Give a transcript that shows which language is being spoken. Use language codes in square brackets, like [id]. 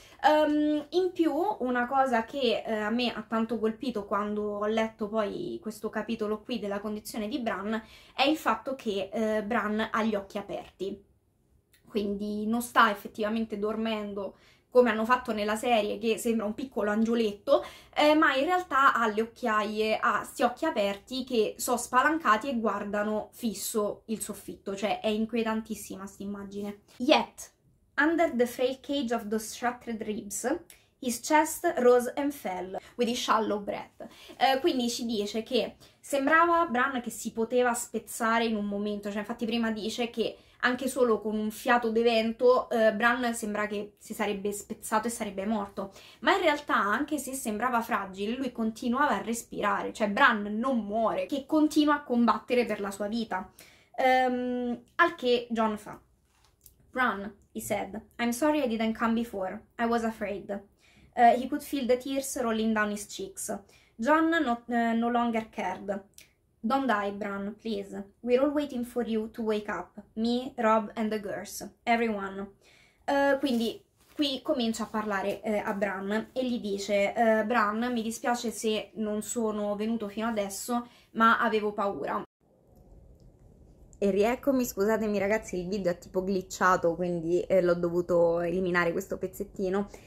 [it] In più una cosa che a me ha tanto colpito quando ho letto poi questo capitolo qui della condizione di Bran è il fatto che Bran ha gli occhi aperti, quindi non sta effettivamente dormendo. Come hanno fatto nella serie, che sembra un piccolo angioletto, ma in realtà ha le occhiaie, ha sti occhi aperti che sono spalancati e guardano fisso il soffitto, cioè è inquietantissima st'immagine. [en] Yet, under the frail cage of those shattered ribs, his chest rose and fell with his shallow breath. [it] Quindi ci dice che sembrava Bran che si poteva spezzare in un momento, cioè infatti prima dice che anche solo con un fiato di vento, Bran sembra che si sarebbe spezzato e sarebbe morto. Ma in realtà, anche se sembrava fragile, lui continuava a respirare, cioè Bran non muore, che continua a combattere per la sua vita. Al che John fa: [en] Bran, he said, I'm sorry I didn't come before. I was afraid. He could feel the tears rolling down his cheeks. John no longer cared. Don't die, Bran, please. We're all waiting for you to wake up. Me, Rob and the girls. Everyone. [it] Quindi qui comincia a parlare a Bran e gli dice: Bran, mi dispiace se non sono venuto fino adesso, ma avevo paura. E rieccomi, scusatemi ragazzi, il video è tipo glitchato, quindi l'ho dovuto eliminare questo pezzettino.